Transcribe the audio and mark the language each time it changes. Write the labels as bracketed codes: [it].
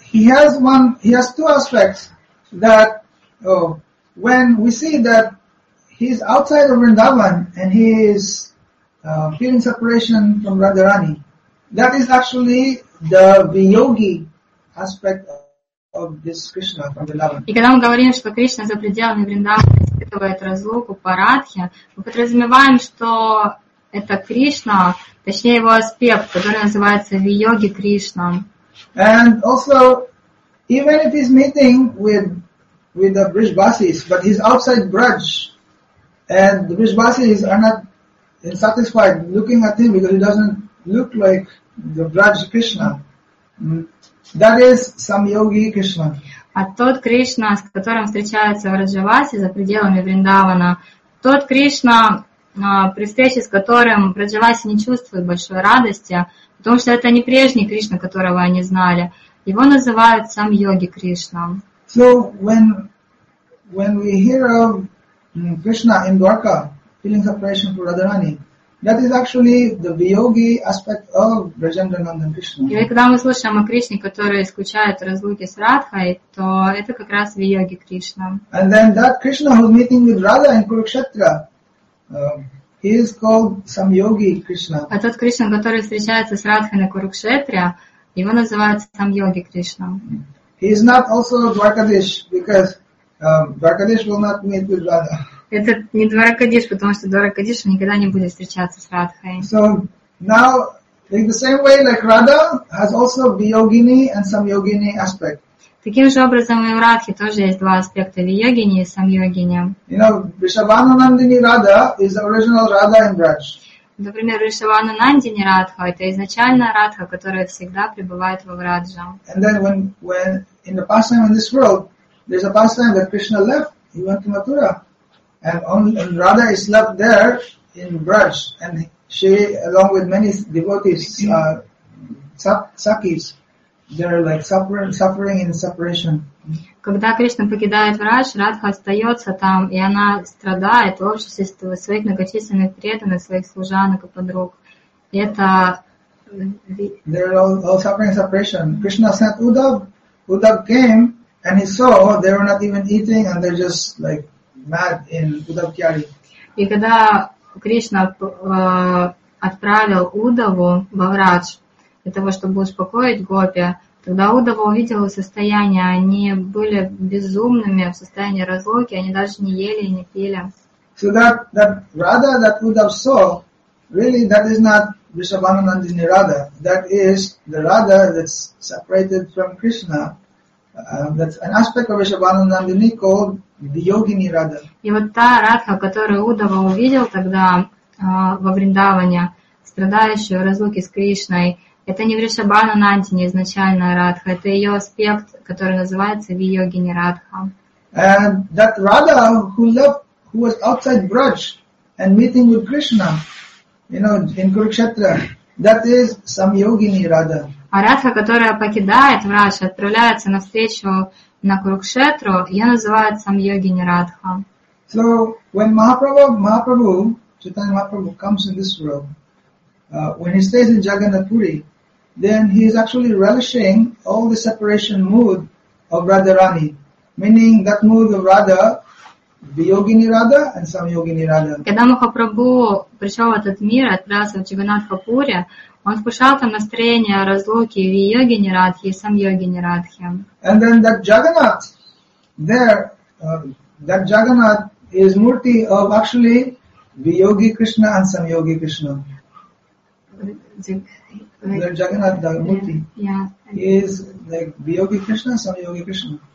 [en] He has two aspects that when we see that he's outside of Vrindavan and he is feeling separation from Radharani, that is actually the Vyogi aspect of this Krishna from Vrindavan. [ru] И когда мы говорим, что Кришна за пределами Вриндавана испытывает разлуку по Радхе, мы подразумеваем, что это Кришна, точнее его аспект, который называется Вийоги Кришна. [en] And also, even if he's meeting with the Brijbasis, but he's outside Braj, and the Brijbasis are not satisfied looking at him because he doesn't look like the Braj Krishna. That is some yogi Krishna. [ru] А тот Кришна, с которым встречается в Раджавасе за пределами Вриндавана, тот Кришна, при встрече с которым в Раджавасе не чувствует большой радости, потому что это не прежний Кришна, которого они знали, его называют сам йоги Кришна. [en] So when we hear of Krishna in Dwarka feeling separation from Radharani, that is actually the Vyogi aspect of Rajendra Nandan Krishna. [ru] И когда мы слышим о Кришне, который скучает в разлуке с Радхой, то это как раз Вийоги Кришна. [en] And then that Krishna who is meeting with Radha in Kurukshetra, he is called Samyogi Krishna. [ru] А тот Кришна, который встречается с Радхой на Курукшетре, его называют Самйоги Кришна. [en] He is not also Dwarakadish because Dwarakadish will not meet with Radha. [ru] Это не Дваракадиш, потому что Дваракадиш никогда не будет встречаться с Радхой. [en] So now In the same way, like Radha has also Vyogini and Samyogini aspect. [ru] Таким же образом и у Радхи тоже есть два аспекта: Вьогини и Самьогини. [en] You know, Ришабанандини Radha is the original Radha in Braj. [ru] Например, Ришабанандини Радха — это изначальная Радха, которая всегда пребывает во Врадже. [en] And then when in the pastime in this world, there's a pastime that Krishna left, he went to Mathura, and Radha is left there in Braj, and she along with many devotees, Sakis. They're like suffering in separation. [ru] Когда Кришна покидает Врадж, Радха остается там, и она страдает в обществе своих многочисленных преданных, своих служанок и подруг. Это... [en] They're all suffering in separation. Krishna sent Uddhav. Uddhav came, and he saw they were not even eating, and they're just like mad in Uddhav Kyari. [ru] И когда Кришна отправил Уддаву во Врадж, для того, чтобы успокоить гопи, тогда Уддава увидел их состояние. Они были безумными, в состоянии разлуки, они даже не ели и не пили. [en] So that Radha that Uddava saw, really that is not Vrishabhanandini Radha. That is the Radha that's separated from Krishna. That's an aspect of Vrishabhanandini called the Yogini Radha. [ru] И вот та Радха, которую Уддава увидел тогда во Вриндаване, страдающую в разлуке с Кришной, это не Вришабанандини, не изначальная Радха, это ее аспект, который называется Вийогини Радха. [en] And that Radha who was outside Braj and meeting with Krishna, you know, in Kurukshetra, that is Samyogini Radha. [ru] А Радха, которая покидает Враж, отправляется навстречу на Курукшетру, ее называют Самьогини Радха. [en] So when Mahaprabhu, Chaitanya Mahaprabhu comes in this world, when he stays in Jagannath Puri, then he is actually relishing all the separation mood of Radharani, meaning that mood of Radha, Vyogini Radha and Samyogini Radha. [ru] Когда Махапрабху пришел в этот мир, отправился в Джаганнатхапури, он вкушал там настроение разлуки Вийогини Радхи и Самьогини Радхи. [en] And then that Jagannath, there, that Jagannath is murti of actually Vyogi Krishna and Samyogi Krishna. Like, Jagannath, the Murti, is like Vyogi Krishna, Samyogi Krishna.